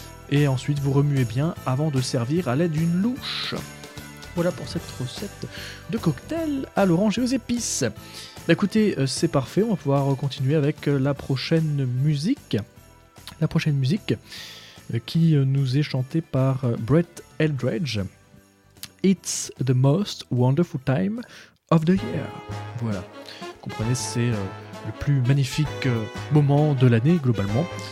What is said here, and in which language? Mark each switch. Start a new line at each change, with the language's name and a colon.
French: Et ensuite, vous remuez bien avant de servir à l'aide d'une louche. Voilà pour cette recette de cocktail à l'orange et aux épices. Bah écoutez, c'est parfait, on va pouvoir continuer avec la prochaine musique. La prochaine musique qui nous est chantée par Brett Eldredge.
English: It's the most wonderful time of the year.
French: Voilà, vous comprenez, c'est le plus magnifique moment de l'année globalement.